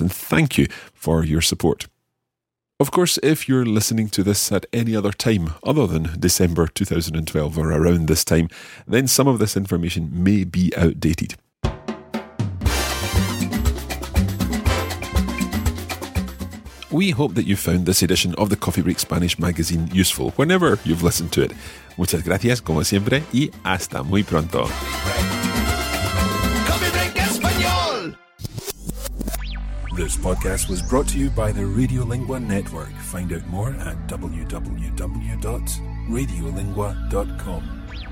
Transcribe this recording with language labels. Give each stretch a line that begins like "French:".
English: And thank you for your support. Of course, if you're listening to this at any other time other than December 2012 or around this time, then some of this information may be outdated. We hope that you found this edition of the Coffee Break Spanish magazine useful whenever you've listened to it.
Spanish: Muchas gracias, como siempre, y hasta muy pronto.
English: This podcast was brought to you by the Radiolingua Network. Find out more at www.radiolingua.com.